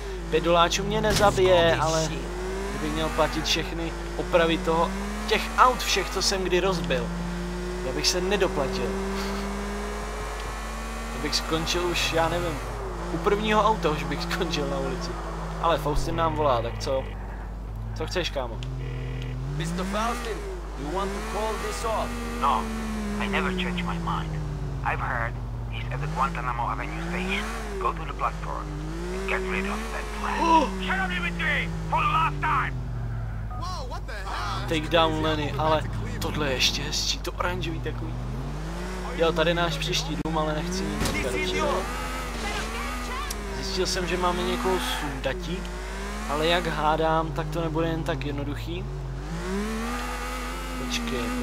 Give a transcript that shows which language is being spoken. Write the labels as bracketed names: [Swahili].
[Czech] Pedoláčů mě nezabije, ale kdybych měl platit všechny opravy toho, těch aut všech, co jsem kdy rozbil, já bych se nedoplatil. Já bych skončil už, já nevím, u prvního auta už bych skončil na ulici. Ale Faustin nám volá, tak co? Co chceš, kámo? [English] Mr. Faustin, you want to call this off? No, I never change my mind. I've heard he is at the Guantanamo Avenue station. Go to the platform and get rid of that plan. Shut up, Dimitri! For the last time! Whoa, what the hell? Take down, Lenny, [Czech] ale tohle je ještě hezčí, to oranžový takový. Jo, tady náš příští dům, ale nechci nic. Zjistil jsem, že máme někoho sundatí, ale jak hádám, tak to nebude jen tak jednoduchý. Počkej.